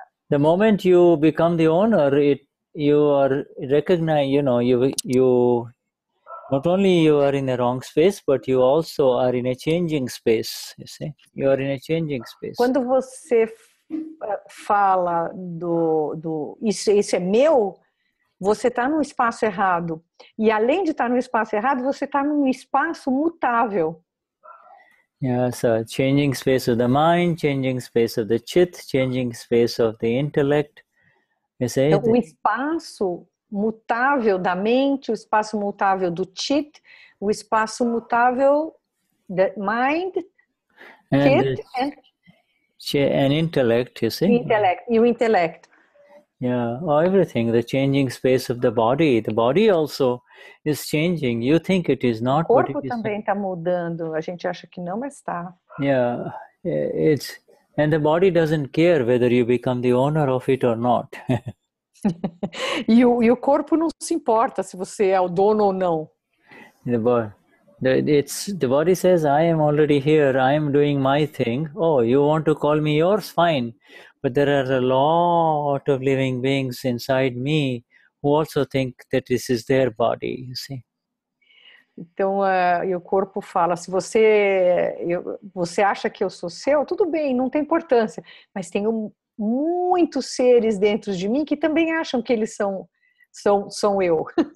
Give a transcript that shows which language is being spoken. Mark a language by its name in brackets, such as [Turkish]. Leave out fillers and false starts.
[English] The moment you become the owner, you not only are in the wrong space, but you also are in a changing space. You see, you are in a changing space. [Portuguese] Quando você fala do isso é meu, você está num espaço errado. E além de estar num espaço errado, você está num espaço mutável. [English] Yeah, so changing space of the mind, changing space of the chit, changing space of the intellect. You see? [Portuguese] Então, o espaço mutável da mente, o espaço mutável do chit, o espaço mutável da mind, [English] and intellect, you see? [Portuguese] Intellect, e o intelecto. [English] Yeah, or everything, the changing space of the body. The body also is changing. You think it is not, but it is. [Portuguese] O corpo também está mudando. A gente acha que não, mas está. [English] Yeah, it's, and the body doesn't care whether you become the owner of it or not. [Portuguese] E o corpo não se importa se você é o dono ou não. [English] The body says, I am already here. I am doing my thing. Oh, you want to call me yours? Fine. But there are a lot of living beings inside me who also think that this is their body, you see. [Portuguese] Então, o corpo fala, se você acha que eu sou seu, tudo bem, não tem importância. Mas tenho muitos seres dentro de mim que também acham que eles são eu.